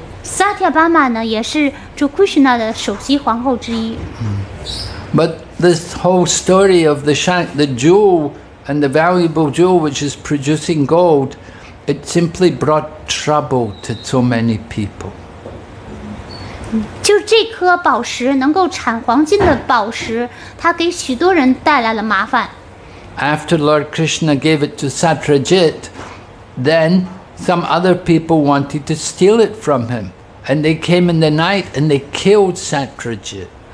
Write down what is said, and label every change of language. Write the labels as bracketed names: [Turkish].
[Chinese] Satyabhama 呢也是 Krishna 的首席皇后之一. [English] But this whole story of the jewel and the valuable jewel which is producing gold, it simply brought trouble to so many people. [Chinese] 就这颗宝石能够产黄金的宝石，它给许多人带来了麻烦。 [English] After Lord Krishna gave it to Satrajit, then some other people wanted to steal it from him, and they came in the night and they killed Satrajit.